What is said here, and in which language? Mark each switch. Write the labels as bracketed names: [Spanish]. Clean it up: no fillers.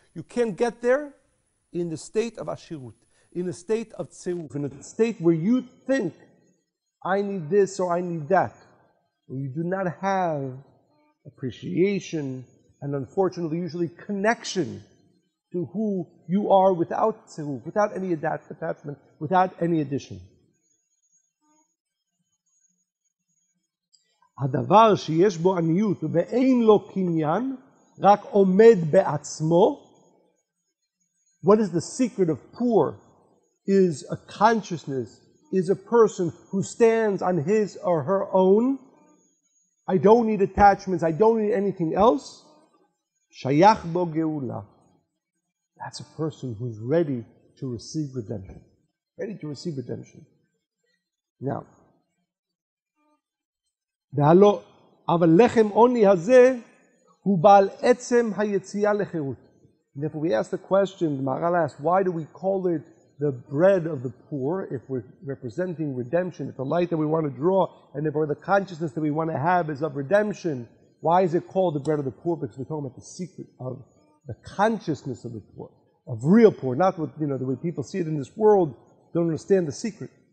[English] You can't get there in the state of Ashirut, in a state of Tzeruf, in a state where you think, I need this or I need that. Where you do not have appreciation and, unfortunately, usually connection to who you are without Tzeruf, without any attachment, without any addition. [Hebrew] הדבר שיש בו עניות ואין לו קניין, רק עומד בעצמו. [English] What is the secret of poor? Is a consciousness, is a person who stands on his or her own. I don't need attachments, I don't need anything else. [Hebrew] שייך בו גאולה. [English] That's a person who's ready to receive redemption. Ready to receive redemption. [Hebrew] Now, והלא, אבל לחם עוני הזה הוא בעל עצם היציאה לחירות. [English] Therefore we ask the question, the Maharal asks, why do we call it the bread of the poor if we're representing redemption, if the light that we want to draw and if the consciousness that we want to have is of redemption, why is it called the bread of the poor? Because we're talking about the secret of the consciousness of the poor, of real poor, not what, you know, the way people see it in this world, don't understand the secret.